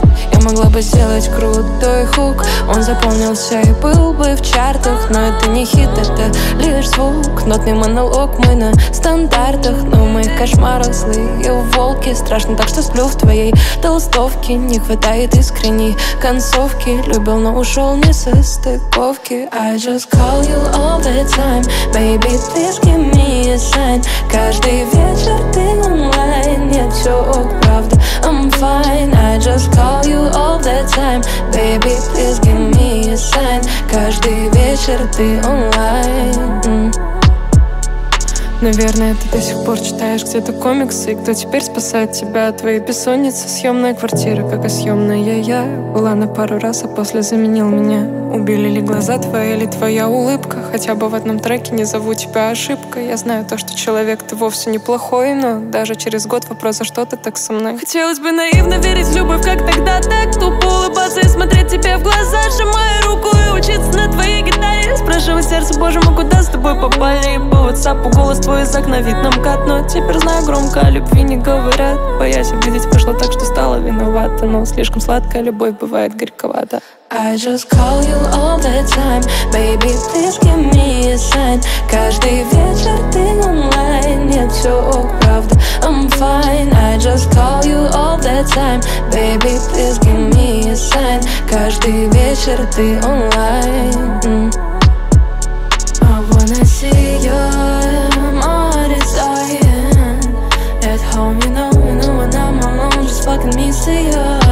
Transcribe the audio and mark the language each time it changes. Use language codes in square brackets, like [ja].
[ru] Я могла бы сделать крутой хук, он запомнился и был бы в чартах. Но это не хит, это лишь звук, нотный монолог, мы на стандартах. Но в моих кошмарах злые волки, страшно так, что сплю в твоей толстовке. Не хватает искренней концовки, любил, но ушел не со стыковки. [en] I just call you all the time, baby, please give me a sign. [ru] Каждый вечер ты онлайн, нет, все ок, правда, [en] I'm fine. I just call you all the time, baby, please give me a sign. [ru] Каждый вечер ты онлайн. Наверное, ты до сих пор читаешь где-то комиксы. И кто теперь спасает тебя от твоей бессонницы? Съемная квартира, как и съемная я. Была на пару раз, а после заменил меня. Убили ли глаза твои или твоя улыбка? Хотя бы в одном треке не зову тебя ошибкой. Я знаю то, что человек ты вовсе неплохой, но даже через год вопрос, за что ты так со мной? Хотелось бы наивно верить в любовь, как тогда, так тупо улыбаться и смотреть тебе в глаза, сжимая руку и учиться на твоей гитаре. Спрашивай сердце, боже мой, куда с тобой попали? И по WhatsApp, голос твой из окна вид нам кат. Но теперь знаю, громко о любви не говорят. Боясь обидеть, пошло так, что стала виновата. Но слишком сладкая любовь бывает горьковата. [en] I just call you all the time, baby, please give me a sign. [ru] Каждый вечер ты онлайн, нет, все ок, правда, [en] I'm fine. I just call you all the time, baby, please give me a sign. [ru] Каждый вечер ты онлайн. [en] I wanna see your more desire. At home, you know, when I'm alone, just fucking miss you.